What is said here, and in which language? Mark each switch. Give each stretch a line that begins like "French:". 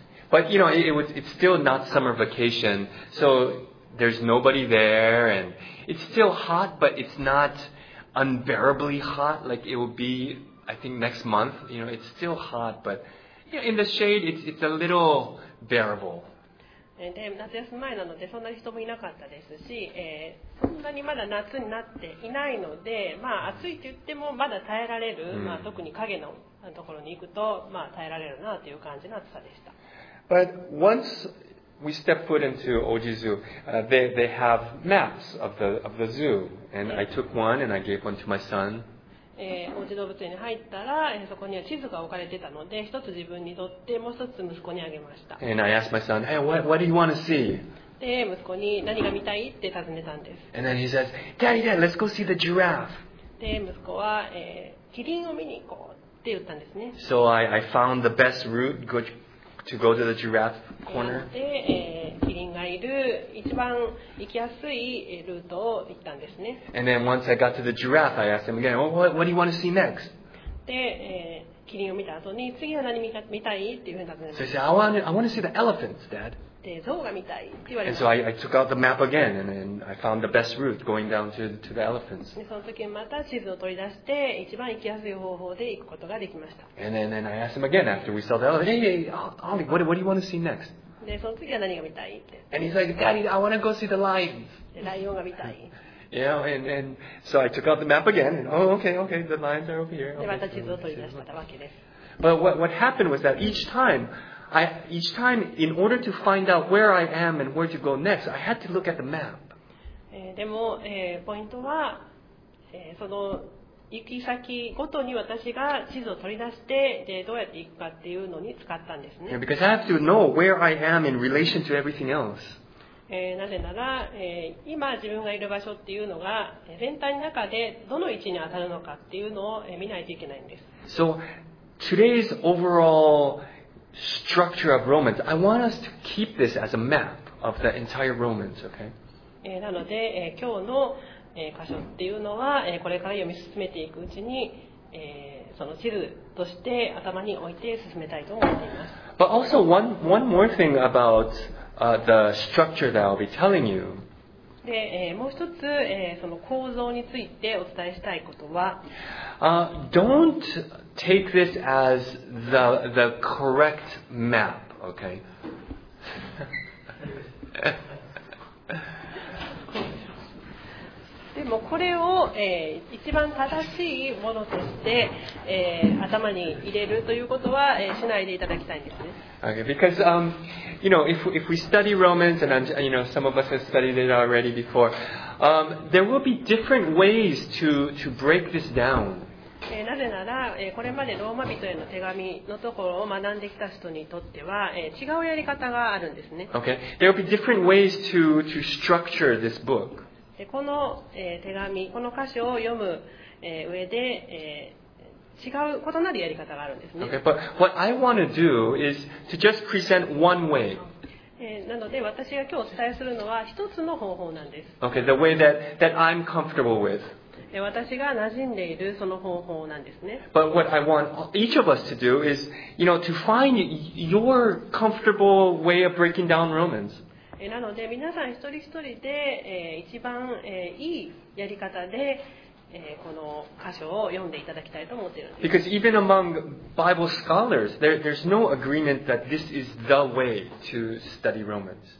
English: But you know, it's still not summer vacation, so there's nobody there, and it's still hot, but it's not unbearably hot like it will be, I think, next month. You know, it's still hot, but you know, in the shade, it's a little bearable.
Japanese: で夏休み前なのでそんなに人もいなかったですし、そんなにまだ夏になっていないので、まあ、暑いと言ってもまだ耐えられる、まあ、特に影のところに行くと、まあ、耐えられるなという感じの暑さでした。
English: But once we step foot into Oji Zoo, they have maps of the zoo, and I took one and I gave one to my son.
Japanese: 王子動物園に入ったら、そこには地図が置かれてたので、一つ自分にとって、もう一つ息子にあげました。
English: And I asked my son, hey, what do you want to see?
Japanese: で、息子に何が見たいって尋ねたんです。
English: And then he says, Daddy, Daddy, let's go see the giraffe.
Japanese: で、息子は、キリンを見に行こうって言ったんですね。
English: So I found the best route to go to the giraffe corner.
Japanese: で、キリンがいる一番行きやすいルートを行ったんですね。
English: And then once I got to the giraffe, I asked him again, well, what do you want to see next?
Japanese: で、キリンを見た後に次は何見たいっていうふうに尋ねました。
English: So he said, I want to see the elephants, Dad.
Japanese: で、ゾウが見たいって言われました。
English: And so I took out the map again, and then I found the best route going down to the elephants.
Japanese: で、その時また地図を取り出して一番行きやすい方法で行くことができました。
English: And then I asked him again after we saw the elephants, hey, Ollie, what do you want to see next?
Japanese: で、その次は何が見たいって。
English: And he's like, Daddy, I want to go see the lions.
Japanese: ライオンが見たい。
English: Yeah, and so I took out the map again. And, oh, okay, the lions are over here.
Japanese: で、また地図を取り出したわけです。
English: But what happened was that each time, in order to find out where I am and where to go next, I had to look at the map.
Japanese: でも、ポイントは、その行き先ごとに私が地図を取り出して、でどうやって行くかっていうのに使ったんですね。
English: Because I have to know where I am in relation to everything else.
Japanese: なぜなら、今自分がいる場所っていうのが全体の中でどの位置に当たるのかっていうのを見ないといけないんです。
English: So today's overall structure of Romans, I want us to keep this as a map of the entire Romans, okay?
Japanese: なので、今日の箇所っていうのは、これから読み進めていくうちに、その地図として頭に置いて進めたいと思っています。
English: But also one more thing about the structure that I'll be telling you.
Japanese: で、もう一つ、その構造についてお伝えしたいことは、
English: Don't take this as the correct map, okay?
Japanese: でもこれを、一番正しいものとして、頭に入れるということは、しないでいただきたいんですね。
English: Okay, because you know, if we study Romans and I'm, you know, some of us have studied it already before, there will be different ways to break this down.
Japanese: なぜなら、これまでローマ人への手紙のところを学んできた人にとっては、違うやり方があるんですね。
English: Okay, there will be different ways to structure this book.
Japanese: この手紙、この箇所を読む上で違う異なるやり方があるんですね。
English: Okay, but what I want to do is to just present one way.
Japanese: なので私が今日お伝えするのは一つの方法なんです。
English: Okay, the way that I'm comfortable with.
Japanese: 私が馴染んでいるその方法なんですね。
English: But what I want each of us to do is, you know, to find your comfortable way of breaking down Romans.
Japanese: なので皆さん一人一人で一番いいやり方でこの箇所を読んでいただきたいと思っているんです。
English: Because even among Bible scholars, there's no agreement that this is the way to study Romans.